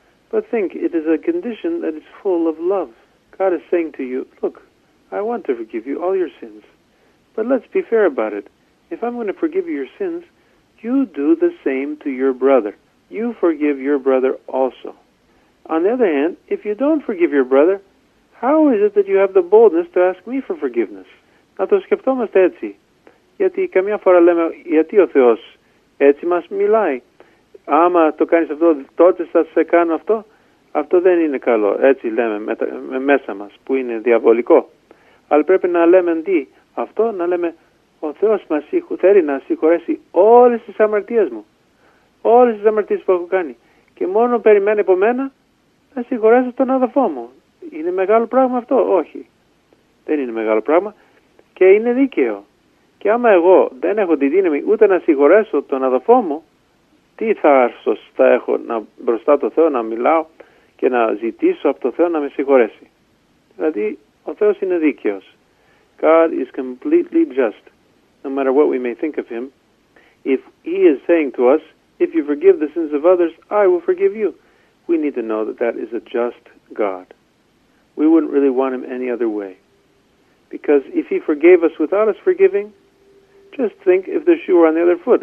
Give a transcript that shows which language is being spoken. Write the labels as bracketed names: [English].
[English] But think, it is a condition that is full of love. God is saying to you, look, I want to forgive you all your sins, but let's be fair about it. If I'm going to forgive you your sins, you do the same to your brother. You forgive your brother also. On the other hand, if you don't forgive your brother, how is it that you have the boldness to ask me for forgiveness? [Greek] Να το σκεφτόμαστε έτσι. Γιατί καμιά φορά λέμε, γιατί ο Θεός έτσι μας μιλάει. Άμα το κάνεις αυτό, τότε θα σε κάνω αυτό. Αυτό δεν είναι καλό. Έτσι λέμε μέσα μας, που είναι διαβολικό. Αλλά πρέπει να λέμε τι αυτό, να λέμε, ο Θεός μας θέλει να συγχωρέσει όλες τις αμαρτίες μου, όλες τις αμαρτίες που έχω κάνει και μόνο περιμένει από μένα να συγχωρέσω τον αδελφό μου. Είναι μεγάλο πράγμα αυτό? Όχι, δεν είναι μεγάλο πράγμα και είναι δίκαιο. Και άμα εγώ δεν έχω τη δύναμη ούτε να συγχωρέσω τον αδελφό μου, τι θάρθος θα έχω να μπροστά το Θεό να μιλάω και να ζητήσω από το Θεό να με συγχωρέσει? Δηλαδή, ο Θεός είναι δίκαιος. [English] God is completely just. No matter what we may think of Him, if He is saying to us, If you forgive the sins of others, I will forgive you. We need to know that that is a just God. We wouldn't really want him any other way. Because if he forgave us without us forgiving, just think if the shoe were on the other foot.